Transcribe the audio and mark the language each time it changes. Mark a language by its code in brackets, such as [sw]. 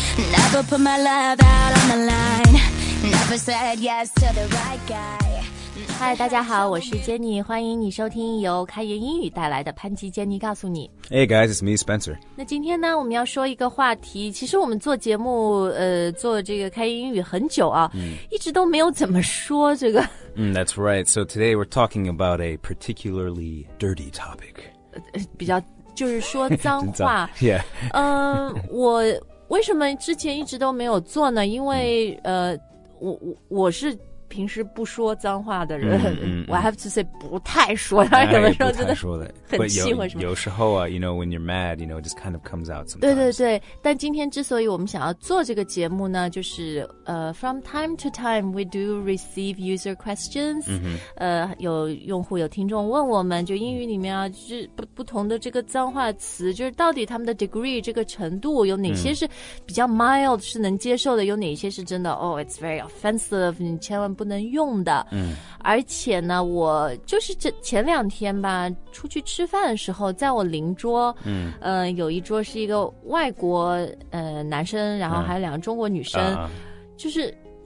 [en] Never put my love out on the line. Never said yes to the right guy. [zh] 嗨，大家好，我是 Jenny， 欢迎你收听由开言英语带来的潘吉 Jenny 告诉你。 [en] Hey guys, it's me, Spencer. [zh] 那今天呢，我们要说一个话题。其实我们做节目，做这个开言英语很久啊，一直都没有怎么说这个。 [en] That's right. So today we're talking about a particularly dirty topic. [zh] 比较就是说脏话。 [en] Yeah. [zh] 我为什么之前一直都没有做呢？因为我是。平时不说脏话的人 [en] I have to say [zh] 不太说他有的时候真的很气或什么有时候啊 [en] you know when you're mad you know it just kind of comes out sometimes [zh] 对对对但今天之所以我们想要做这个节目呢就是 [en] from time to time we do receive user questions、 mm-hmm. [zh] 有用户有听众问我们就英语里面啊就不同的这个脏话词就是到底他们的 degree 这个程度有哪些是比较 mild 是能接受的有哪些是真的 [en] oh it's very offensive [zh] 你千万不能用的、而且呢我就是这前两天吧出去吃饭的时候在我邻桌、有一桌是一个外国、男生然后还有两个中国女生、就是